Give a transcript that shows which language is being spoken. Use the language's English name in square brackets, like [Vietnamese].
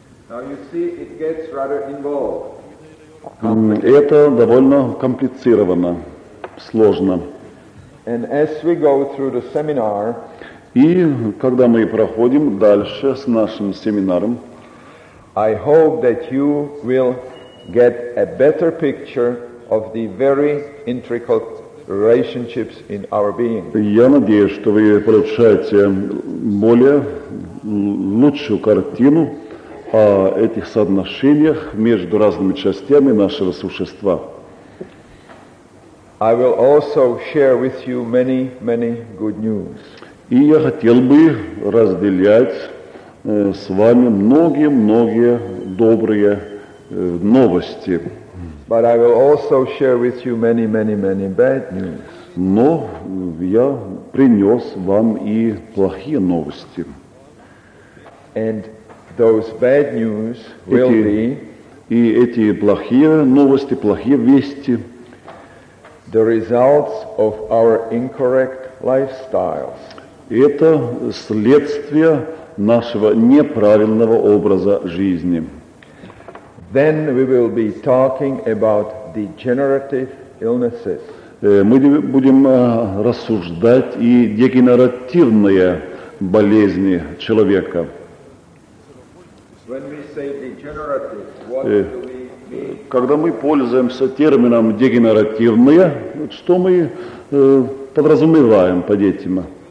[English] Now you see, it gets rather involved. [Russian] Это довольно комплицировано, сложно. [English] And as we go through the seminar, [Russian] и когда мы проходим дальше с нашим семинаром, [English] I hope that you will get a better picture of the very intricate relationships in our being. [Russian] Я надеюсь, что вы получаете более лучшую картину о этих соотношениях между разными частями нашего существа. [English] I will also share with you many, many good news. [Russian] И я хотел бы разделять с вами многие-многие добрые новости. [English] But I will also share with you many bad news. [Russian] Но я принес вам и плохие новости. [English] And those bad news will be... [Russian] И эти плохие новости, плохие вести... [English] The results of our incorrect lifestyles. [Russian] Это следствие нашего неправильного образа жизни. [English] then we will be talking about degenerative illnesses. [Russian] Мы будем рассуждать и дегенеративные болезни человека. [English] When we say degenerative, what [Russian] Когда мы пользуемся термином дегенеративные, что мы подразумеваем под этим?